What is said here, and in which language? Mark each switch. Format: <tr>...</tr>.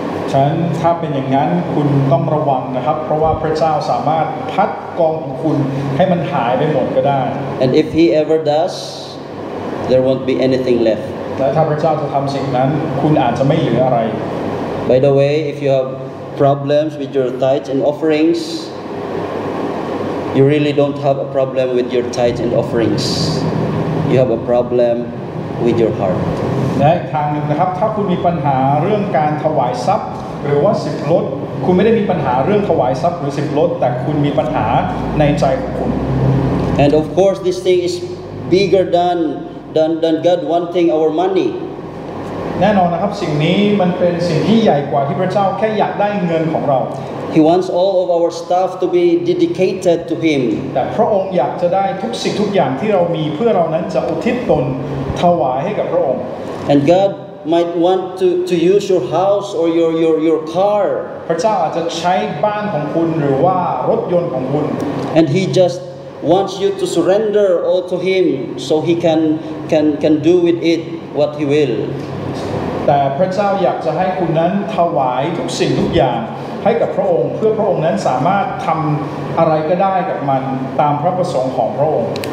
<th>ฉะนั้นถ้าเป็นอย่างนั้นคุณต้องระวังนะครับเพราะว่าพระเจ้าสามารถพัดกองของคุณให้มันหายไปหมดก็ได้</th> <en>And if he ever does there won't be anything left</en> <th>และถ้าพระเจ้าจะทําสิ่งนั้นคุณอาจจะไม่เหลืออะไร</th> <en>By the way, if you have problems with your tithes and offerings, you really don't have a problem with your tithes and offerings. You have a problem with your heart.</en> <th>และทางหนึ่งนะครับถ้าคุณมีปัญหาเรื่องการถวายทรัพย์หรือว่าสิบลดคุณไม่ได้มีปัญหาเรื่องถวายทรัพย์หรือสิบลดแต่คุณมีปัญหาในใจของคุณ</th> <en>And of course, this thing is bigger than God wanting our money.</en> <th>แน่นอนนะครับสิ่งนี้มันเป็นสิ่งที่ใหญ่กว่าที่พระเจ้าแค่อยากได้เงินของเรา</th> <en>He wants all of our stuff to be dedicated to him</en> <th>แต่พระองค์อยากจะได้ทุกสิ่งทุกอย่างที่เรามีเพื่อเรานั้นจะอุทิศตนถวายให้กับพระองค์</th> <en>And God might want to use your house or your car</en> <th>พระเจ้าอาจจะใช้บ้านของคุณหรือว่ารถยนต์ของคุณ</th> <en>And he just wants you to surrender all to him so he can do with it what he will</en> <th>แต่พระเจ้าอยากจะให้คุณนั้นถวายทุกสิ่งทุกอย่างให้กับพระองค์เพื่อพระองค์นั้นสามารถทำอะไรก็ได้กับมันตามพระประสงค์ของพระองค์</th>